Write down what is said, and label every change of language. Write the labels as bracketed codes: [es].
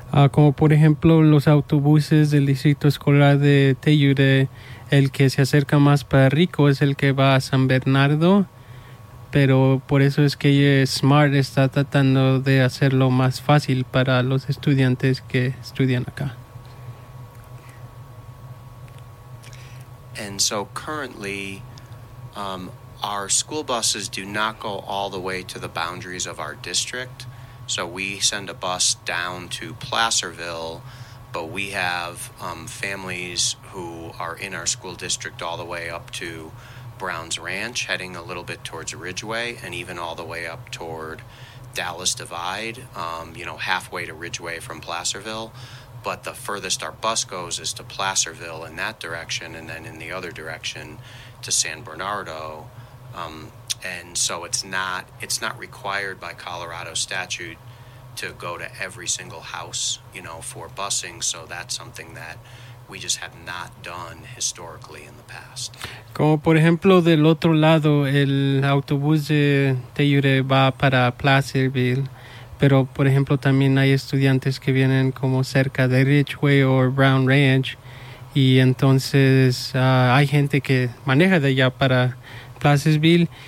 [es] Como por ejemplo los autobuses del Distrito Escolar de Telluride, el que se acerca más para Rico es el que va a San Bernardo, pero por eso es que SMART está tratando de hacerlo más fácil para los estudiantes que estudian acá. [en] And so currently, our school buses do not go all the way to the boundaries of our district. So we send a bus down to Placerville, but we have families who are in our school district all the way up to Brown's Ranch, heading a little bit towards Ridgeway, and even all the way up toward Dallas Divide, halfway to Ridgeway from Placerville. But the furthest our bus goes is to Placerville in that direction, and then in the other direction to San Bernardo. And so it's not required by Colorado statute to go to every single house, for busing. So that's something that we just have not done historically in the past. [es] Como por ejemplo, del otro lado, el autobús de Telluride va para Placerville. Pero, por ejemplo, también hay estudiantes que vienen como cerca de Ridgeway o Brown Ranch. Y entonces hay gente que maneja de allá para Placerville.